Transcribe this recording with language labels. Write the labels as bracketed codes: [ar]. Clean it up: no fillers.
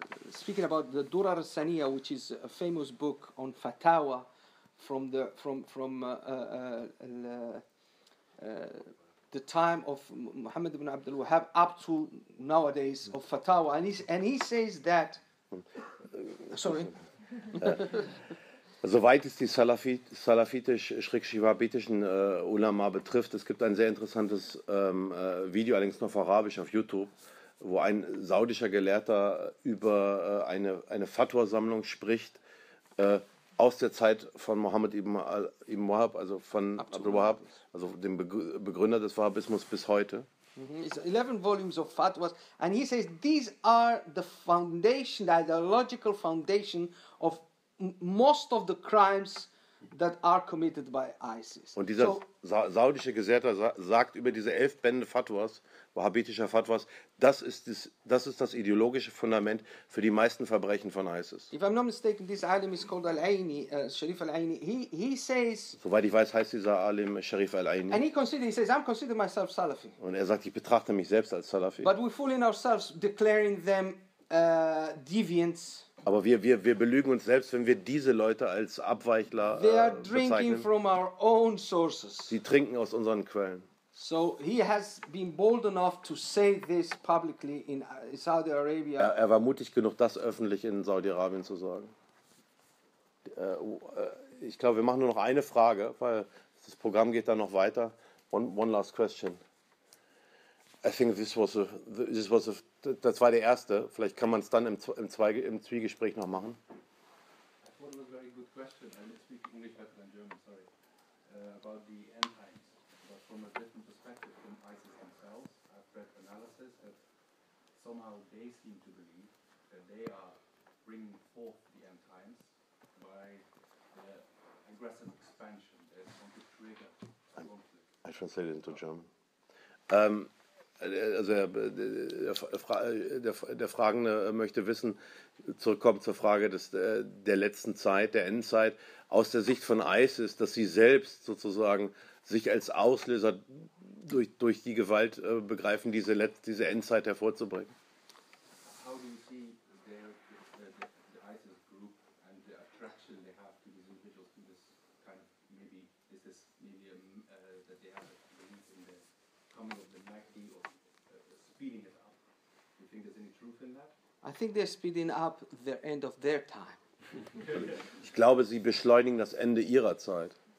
[en] speaking about the Durar al-Saniya, which is a famous book on fatawa from the time of Muhammad ibn Abdul Wahhab up to nowadays of fatawa, and he says that sorry. [de] Soweit es die salafitisch-wahhabitischen Ulama betrifft, es gibt ein sehr interessantes Video, allerdings nur auf Arabisch, auf YouTube, wo ein saudischer Gelehrter über eine Fatwa-Sammlung spricht aus der Zeit von Mohammed ibn Wahhab, also von Abdul Wahhab, also dem Begründer des Wahhabismus bis heute. Mm-hmm. [en] It's 11 volumes of fatwas, and he says these are the foundation, the ideological foundation of most of the crimes that are committed by ISIS. [de] Und dieser saudische Gesandte sagt über diese 11 Bände Fatwas, wahhabitischer Fatwas, das ist das ideologische Fundament für die meisten Verbrechen von ISIS. [en] If I'm not mistaken, this alim is called Al-Aini, Sharif Al-Aini. He says, [de] soweit ich weiß, heißt dieser Alim Sharif Al-Aini. [en] And he says, I'm consider myself Salafi. [de] Und er sagt, ich betrachte mich selbst als Salafi. [en] But we're fooling ourselves declaring them deviants. [de] Aber wir belügen uns selbst, wenn wir diese Leute als Abweichler bezeichnen. [en] They are drinking from our own sources. [de] Sie trinken aus unseren Quellen. [en] So he has been bold enough to say this publicly in Saudi Arabia. [de] Er war mutig genug, das öffentlich in Saudi-Arabien zu sagen. Ich glaube, wir machen nur noch eine Frage, weil das Programm geht dann noch weiter. [en] One last question. I think [de] das war der erste. Vielleicht kann man es dann im Zwiegespräch noch machen. [en] That was a very good question. I speak English better than German, sorry. About the end times, but from a different perspective from ISIS themselves, I've read analysis that somehow they seem to believe that they are bringing forth the end times by the aggressive expansion. There's going to trigger conflict. I translate it into German. [de] Also der Fragende möchte wissen, zurückkommen zur Frage der letzten Zeit, der Endzeit, aus der Sicht von ISIS, dass sie selbst sozusagen sich als Auslöser durch die Gewalt begreifen, diese Endzeit hervorzubringen. [en] How do you see the ISIS group and the attraction they have to these individuals in this kind of, maybe, is this maybe that they have a belief in the coming of the Mahdi or speeding it up? Do you think there's any truth in that? I think they're speeding up the end of their time. [de] Ich glaube, sie beschleunigen das Ende ihrer Zeit.